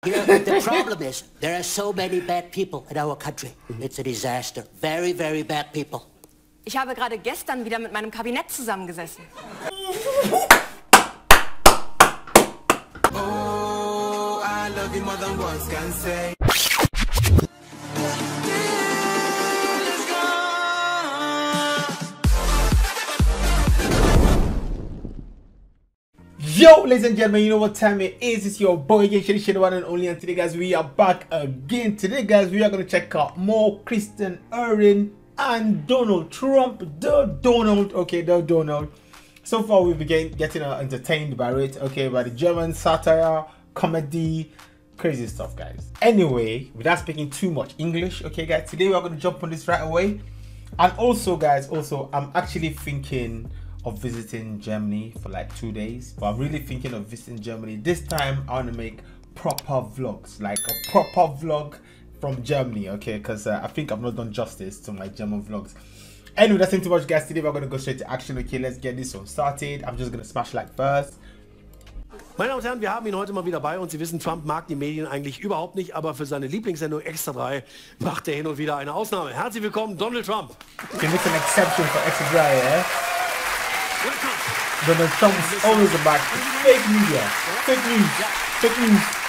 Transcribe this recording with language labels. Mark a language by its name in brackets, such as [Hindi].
[English] The problem is, there are so many bad people in our country. Mm-hmm. It's a disaster. Very, very bad people. [German] Ich habe gerade gestern wieder mit meinem Kabinett zusammengesessen. [English] Oh, I love you more than words can say. Yo, ladies and gentlemen, you know what time it is. It's your boy, Shae, the one and only. And today, guys, we are back again. Today, guys, we are going to check out more Kristen, Ehring, and Donald Trump. The Donald. So far, we've been getting entertained by it, okay, by the German satire, comedy, crazy stuff, guys. Anyway, without speaking too much English, okay, guys, today we are going to jump on this right away. And also, guys, also, I'm actually thinking of visiting Germany for like 2 days, but I'm really thinking of visiting Germany this time. I want to make proper vlogs, like a proper vlog from Germany, okay, because I think I've not done justice to my German vlogs. Anyway, that's not too much, guys. Today we're gonna go straight to action, okay? Let's get this one started. I'm just gonna smash like first. [German] Meine Damen und Herren, wir haben ihn heute mal wieder bei und Sie wissen, Trump mag die Medien eigentlich überhaupt nicht, aber für seine Lieblingssendung Extra 3 macht hin und wieder eine Ausnahme. Herzlich willkommen, Donald Trump. Wir müssen Exception für Extra 3, eh? [English] Donald Trump is always about fake media. Fake news. Fake news.